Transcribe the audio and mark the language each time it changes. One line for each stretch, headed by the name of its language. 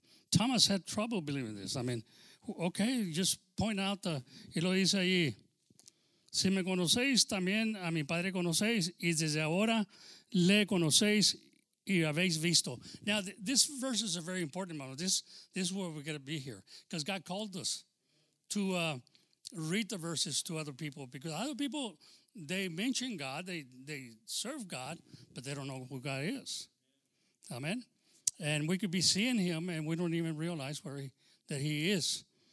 English: Thomas had trouble believing this. I mean, okay, just point out the,
Spanish: y lo dice ahí. Si me conocéis, también a mi padre conocéis, y desde ahora le conocéis y habéis visto.
English: Now, this verses are very important, Mama. This is where we're going to be here, because God called us to read the verses to other people, because other people, they mention God, they serve God, but they don't know who God is. Amen? And we could be seeing him, and we don't even realize that he is.